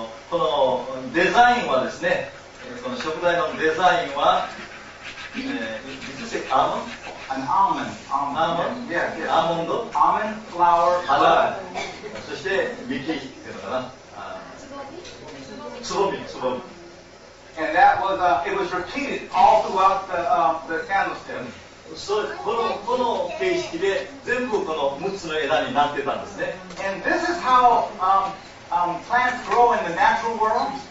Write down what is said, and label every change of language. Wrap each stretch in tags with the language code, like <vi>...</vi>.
<ja>このデザインはですね、この食材のデザインは、</ja> <en>is this an almond? An almond. Almond. Almond. Yeah, yeah. Almond. Almond, flower, bud.</en> <ja>そして幹っていうのかな。つぼみ。</ja> <en>And that was it was repeated all throughout the candlestick.</en> <ja>この形式で全部この6つの枝になってたんですね。</ja> <en>And this is how, plants grow in the natural world.</en>